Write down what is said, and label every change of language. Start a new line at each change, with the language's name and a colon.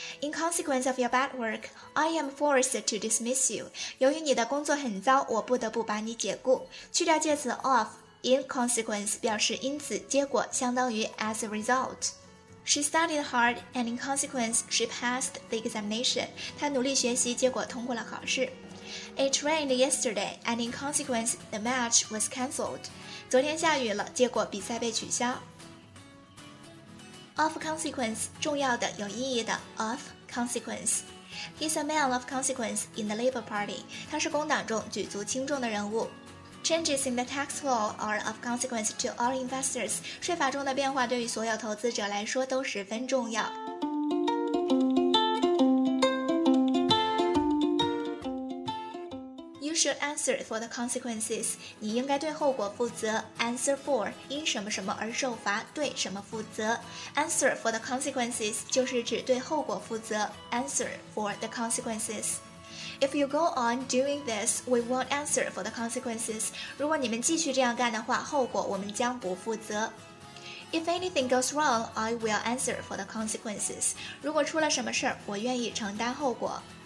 English: In consequence of your bad work， I am forced to dismiss you。
Chinese: 由于你的工作很糟，我不得不把你解雇。去掉介词 ofIn consequence 表示因此、结果，相当于
English: as a result. She studied hard and in consequence she passed the examination.
Chinese: 她努力学习，结果通过了考试。
English: It rained yesterday and in consequence the match was cancelled.
Chinese: 昨天下雨了，结果比赛被取消。
English: Of consequence,
Chinese: 重要的、有意义的。
English: Of consequence. He's a man of consequence in the Labour Party.
Chinese: 他是工党中举足轻重的人物。
English: Changes in the tax law are of consequence to all investors.
Chinese: 税法中的变化对于所有投资者来说都十分重要。
English: You should answer for the consequences.
Chinese: 你应该对后果负责。 Answer for, 因什么什么而受罚，对什么负责。
English: Answer for the consequences
Chinese: 就是指对后果负责。
English: Answer for the consequences. If you go on doing this, we won't answer for the consequences.
Chinese: 如果你们继续这样干的话，后果我们将不负责。
English: If anything goes wrong, I will answer for the consequences.
Chinese: 如果出了什么事儿，我愿意承担后果。